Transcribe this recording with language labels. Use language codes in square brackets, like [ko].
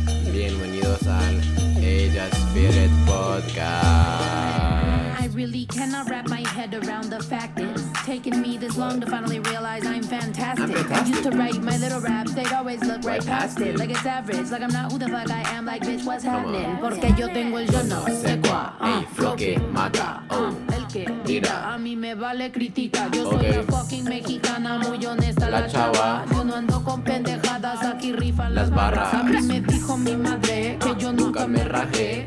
[es] Bienvenidos al Ella Spirit Podcast. [en] I really cannot wrap my head around the fact it's taken me this long to finally realize I'm fantastic. I used to write my little raps, they'd always look right past it. Like it's average, like I'm not who the fuck I am, like bitch, what's happening? [es] Porque yo tengo el yo no sé cuá, flow que mata, mira, a mí me vale critica. Yo soy la fucking mexicana, muy honesta la chava. Yo no ando con pendejadas, aquí rifan las barras. A mí me dijo mi madre que yo nunca me rajé.